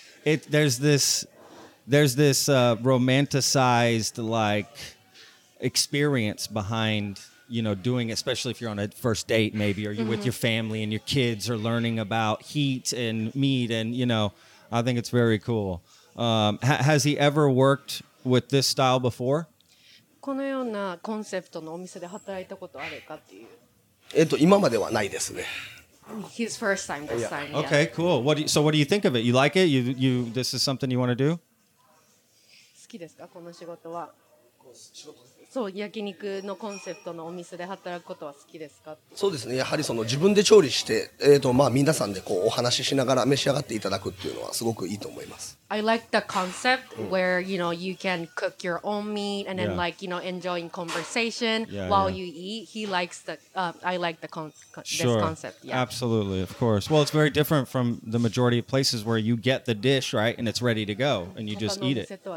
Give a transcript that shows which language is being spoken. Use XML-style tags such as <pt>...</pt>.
<en>But it, there's this romanticized like experience behind, you know, doing, especially if you're on a first date, maybe, or you're with your family and your kids are learning about heat and meat. And, you know, I think it's very cool. Has he ever worked with this style before?</en> <ja>このようなコンセプトのお店で働いたことあるかっていう。今まではないですね。</ja> <en>His first time this time. Yeah. Okay, cool. What do you, so what do you think of it? You like it? You this is something you want to do?</en> <ja>好きですか、この仕事は。そう、焼肉のコンセプトのお店で働くことは好きですか。そうですね。やはりその自分で調理して、まあ皆さんでこうお話ししながら召し上がっていただくっていうのはすごくいいと思います。</ja> <en>I like the concept where you know you can cook your own meat and then like you know enjoying conversation while you eat. He likes the I like the concept. Yeah. Absolutely, of course. Well, it's very different from the majority of places where you get the dish right and it's ready to go and you just eat it.</en>